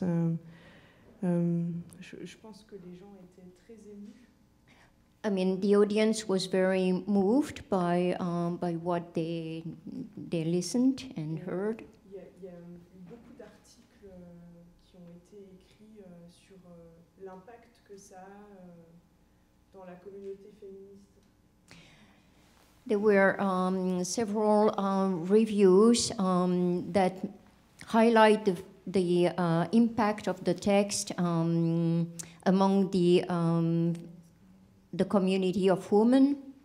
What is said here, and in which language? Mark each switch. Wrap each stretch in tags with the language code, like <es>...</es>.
<fr>Je pense que les gens étaient très émus.</fr> <en>I mean, the audience was very moved by what they listened and heard.</en> <fr>Il y a beaucoup d'articles qui ont été écrits sur l'impact que ça a dans la communauté féministe.</fr> <en>There were several reviews that highlight the impact of the text among the community of women.</en>